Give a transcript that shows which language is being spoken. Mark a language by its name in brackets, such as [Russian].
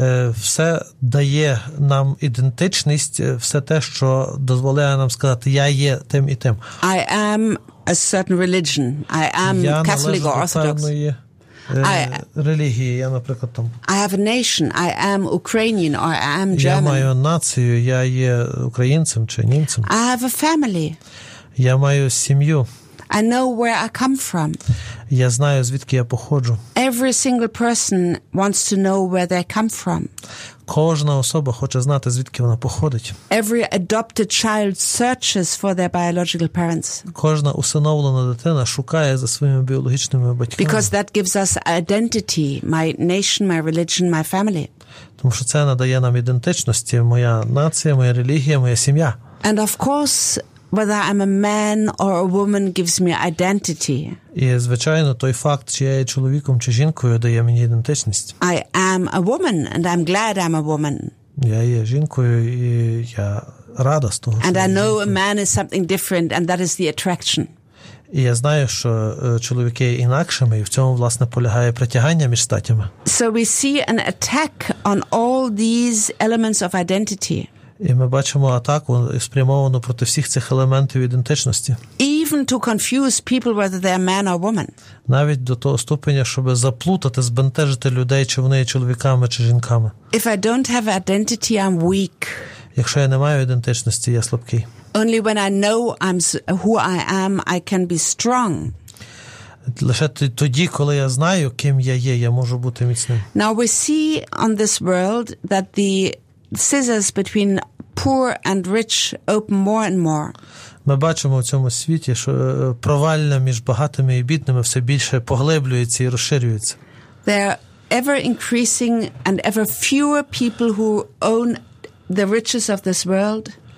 [Ukrainian] Все дає нам ідентичність, все те, що дозволяє нам сказати, я є тим і тим. [English] I am a certain religion. I am Catholic or Orthodox. [Ukrainian] Релігії. Я, наприклад, там. [English] I have a nation. I am Ukrainian or I am German. [Ukrainian] Я маю націю. Я є українцем чи німцем. [English] I have a family. [Ukrainian] Я маю сім'ю. [English] I know where I come from. [Ukrainian] Я знаю, звідки я походжу. [English] Every single person wants to know where they come from. [Ukrainian] Кожна особа хоче знати, звідки вона походить. [English] Every adopted child searches for their biological parents. [Ukrainian] Кожна усиновлена дитина шукає за своїми біологічними батьками. [English] Because that gives us identity, my nation, my religion, my family. [Ukrainian] Тому що це надає нам ідентичності, моя нація, моя релігія, моя сім'я. [English] And of course, whether I'm a man or a woman gives me identity. [Ukrainian] І, звичайно, той факт, чи я є чоловіком чи жінкою, дає мені ідентичність. [English] I am a woman and I'm glad I'm a woman. [Ukrainian] Я є жінкою і я рада з того, [English] And I know a man is something different and that is the attraction. [Ukrainian] І я знаю, що чоловіки є інакшими, і в цьому, власне, полягає притягання між статями. [English] So we see an attack on all these elements of identity. [Ukrainian] І ми бачимо атаку, спрямовану проти всіх цих елементів ідентичності. [English] Even to confuse people whether they're man or woman. [Ukrainian] Навіть до того ступеня, щоб заплутати, збентежити людей, чи вони є чоловіками чи жінками. [English] If I don't have identity, I'm weak. [Ukrainian] Якщо я не маю ідентичності, я слабкий. [English] Only when I know I'm who I am, I can be strong. [Ukrainian] Лише тоді, коли я знаю, ким я можу бути міцним. [English] Now we see on this world that the scissors between poor and rich open more and more. [Ukrainian] Ми бачимо в цьому світі, що провальна між багатими і бідними все більше поглиблюється і розширюється. [English] There are ever increasing and ever fewer people who own the riches of this world.